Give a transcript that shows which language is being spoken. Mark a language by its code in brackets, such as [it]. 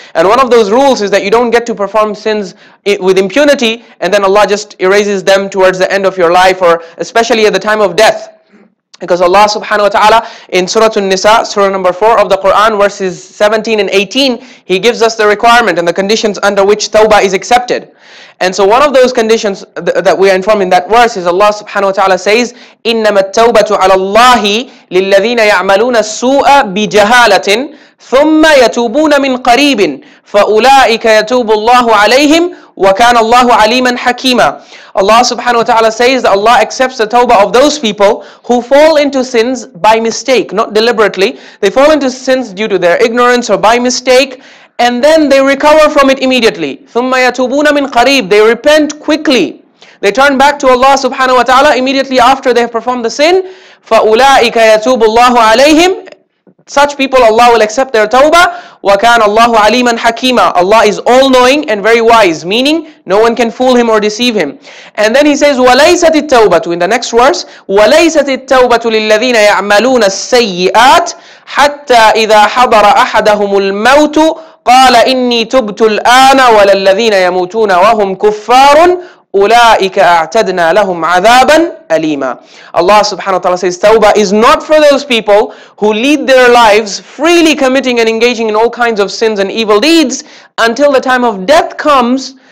[en] And one of those rules is that you don't get to perform sins with impunity and then Allah just erases them towards the end of your life, or especially at the time of death. Because Allah subhanahu wa ta'ala in Surah An-Nisa, Surah number 4 of the Quran, verses 17 and 18, He gives us the requirement and the conditions under which tawbah is accepted. And so one of those conditions that we are informed in that verse is Allah subhanahu wa ta'ala says, [ar] إِنَّمَا التَّوْبَةُ عَلَى اللَّهِ لِلَّذِينَ يَعْمَلُونَ السُّوءَ بِجَهَالَةٍ ثُمَّ يَتُوبُونَ مِنْ قَرِيبٍ فَأُولَٰئِكَ يَتُوبُ اللَّهُ عَلَيْهِمْ وَكَانَ اللَّهُ عَلِيمًا حَكِيمًا. [en] Allah subhanahu wa ta'ala says that Allah accepts the tawbah of those people who fall into sins by mistake, not deliberately. They fall into sins due to their ignorance or by mistake, and then they recover from it immediately. [ar] ثُمَّ يَتُوبُونَ مِنْ قَرِيبٍ. [en] They repent quickly. They turn back to Allah subhanahu wa ta'ala immediately after they have performed the sin. [ar] فَأُولَٰئِكَ يَتُوبُ اللَّهُ عَلَيْهِمْ. [en] Such people, Allah will accept their tawbah. [ar] وَكَانَ اللَّهُ عَلِيمًا حَكِيمًا. [en] Allah is all-knowing and very wise, meaning no one can fool him or deceive him. And then he says, [ar] وَلَيْسَتِ التَّوْبَةُ, [en] in the next verse, [ar] وَلَيْسَتِ التَّوْبَةُ لِلَّذِينَ يَعْمَلُونَ السَّيِّئَاتِ حَتَّى إِذَا حَضَرَ أَحَدَهُمُ الْمَوْتُ قَالَ إِنِّي تُبْتُ الْآنَ وَلَلَّذِينَ يَمُوتُونَ وَهُمْ كُفَّارٌ أُولَٰئِكَ أَعْتَدْنَا لَهُمْ عَذَابًا أَلِيمًا. [en] Allah subhanahu wa ta'ala says, Tawbah is not for those people who lead their lives freely committing and engaging in all kinds of sins and evil deeds until the time of death comes.